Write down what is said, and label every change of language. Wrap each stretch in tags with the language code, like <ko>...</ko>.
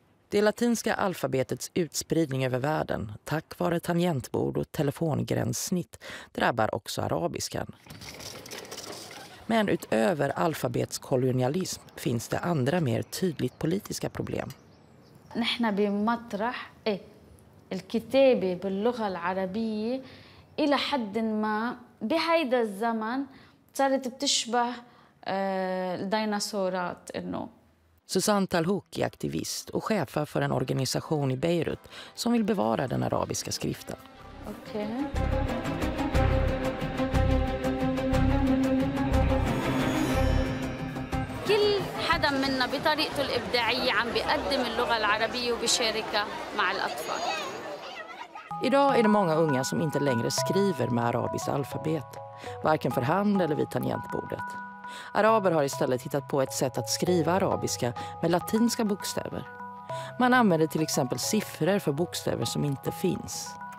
<sv>Det latinska alfabetets utspridning över världen tack vare tangentbord och telefongränssnitt drabbar också arabiskan. Men utöver alfabetskolonialism finns det andra mer tydligt politiska problem.</sv> <ar>نحن بمطرح الكتابة باللغة العربية إلى حد ما بهيدا الزمن صارت بتشبه الديناصورات إنه.</ar> <sv>Susanne Talhouk är aktivist och chef för en organisation i Beirut som vill bevara den arabiska skriften. Okej.</sv> <ar>كل حدا منا بطريقته الإبداعية عم بيقدم اللغة العربية وبيشاركها مع الأطفال.</ar> <sv>Idag är det många unga som inte längre skriver med arabiskt alfabet, varken för hand eller vid tangentbordet. Araber har istället hittat på ett sätt att skriva arabiska med latinska bokstäver. Man använder till exempel siffror för bokstäver som inte finns.</sv>